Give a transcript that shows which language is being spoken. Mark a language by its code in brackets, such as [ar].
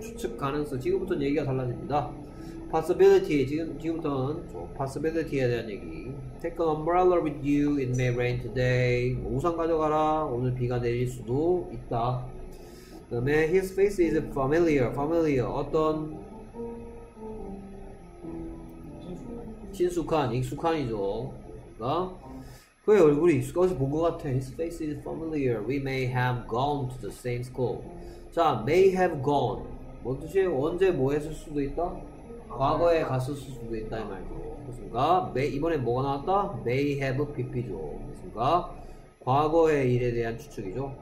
[ko] 추측 가능성 지금부터는 얘기가 달라집니다. possibility 지금부터는 possibility에 대한 얘기. [en] Take an umbrella with you, it may rain today. [ko] 우산 가져가라. 오늘 비가 내릴 수도 있다. 그다음에 [en] his face is familiar. [ko] 어떤 친숙한, 익숙한이죠. 그의 얼굴이 익숙해서 본것 같아. [en] His face is familiar. We may have gone to the same school. [ko] 자, [en] may have gone. [ko] 뭔 뜻이에요? 언제 뭐 했을 수도 있다. 과거에 갔었을 수도 있다 이 말이죠. 그렇습니까? may 이번에 뭐가 나왔다? may have PP죠. 그렇습니까? 과거의 일에 대한 추측이죠.